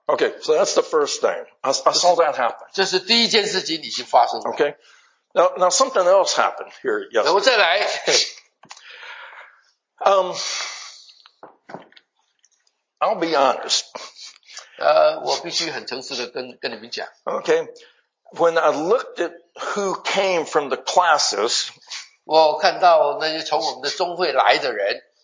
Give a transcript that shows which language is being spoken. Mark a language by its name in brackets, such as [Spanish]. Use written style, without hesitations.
[English] Okay, so that's the first thing. I saw that happen. [Chinese] 这是第一件事情已经发生了。 [English] Okay. Now something else happened here yesterday. [Chinese] 然后再来。 [English] I'll be honest. [Chinese] 我必须很诚实的跟你们讲。 [English] Okay. When I looked at who came from the classes, [Chinese] 我看到那些从我们的中会来的人,